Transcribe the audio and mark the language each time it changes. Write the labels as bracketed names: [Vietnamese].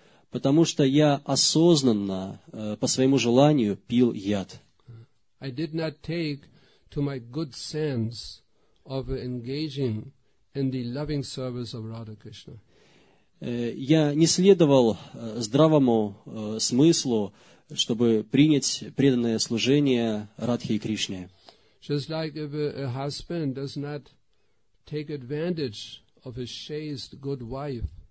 [Russian] Потому что я осознанно, по своему желанию, пил яд. [English] I did not take to my good sense of engaging in the loving service of Radha Krishna. [Russian] Я не следовал здравому смыслу, чтобы принять преданное служение Радхе и Кришне. [English] Just like if a husband does not take advantage of his chaste good wife.